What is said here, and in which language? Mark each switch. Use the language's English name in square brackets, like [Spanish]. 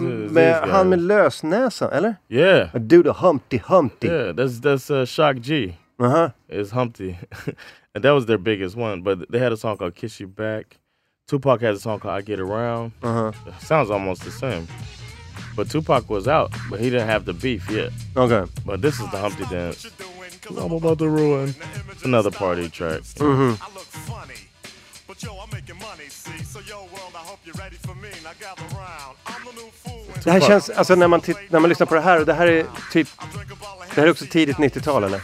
[Swedish] Med han med lösnäsan, eller? [English] Yeah. I do the Humpty Humpty. Yeah, that's Shock G. It's Humpty, and that was their biggest one. But they had a song called Kiss You Back. Tupac has a song called I Get Around. Sounds almost the same. But Tupac was out, but he didn't have the beef yet. Okay. But this is the Humpty Dance. I'm about to ruin. It's another party track. I look funny, but yo, I'm making money, see. So yo, world, I hope you're ready for me. Now gather around. I'm the new fool. [Swedish] Det här känns, alltså när man lyssnar på det här är typ, det här är också tidigt 90-tal, eller?